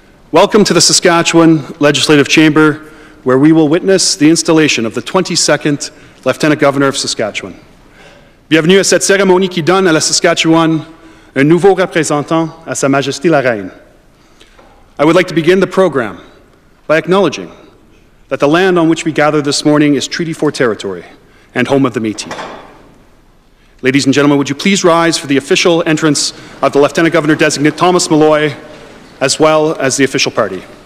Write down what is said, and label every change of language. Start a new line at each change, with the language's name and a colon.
English: Welcome to the Saskatchewan Legislative Chamber, where we will witness the installation of the 22nd Lieutenant Governor of Saskatchewan.
French: Bienvenue à cette cérémonie qui donne à la Saskatchewan un nouveau représentant à Sa Majesté la Reine.
English: I would like to begin the program by acknowledging that the land on which we gather this morning is Treaty 4 territory and home of the Métis. Ladies and gentlemen, would you please rise for the official entrance of the Lieutenant Governor-designate Thomas Molloy, as well as the official party.